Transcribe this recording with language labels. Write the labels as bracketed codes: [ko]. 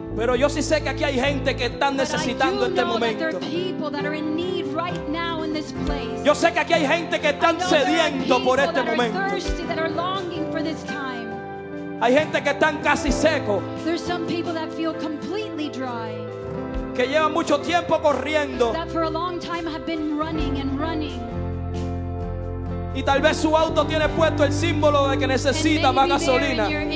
[es] Pero yo sí sé que aquí hay gente que están necesitando este momento. [en] Right, [es] yo sé que aquí hay gente que están sediento por este momento. [en] Thirsty, that are longing for this time. [es] Hay gente que están casi seco. [en] There's some people that feel completely dry. [es] Que llevan mucho tiempo corriendo. [en] That for a long time have been running and running. [es] Y tal vez su auto tiene puesto el símbolo de que necesita más gasolina.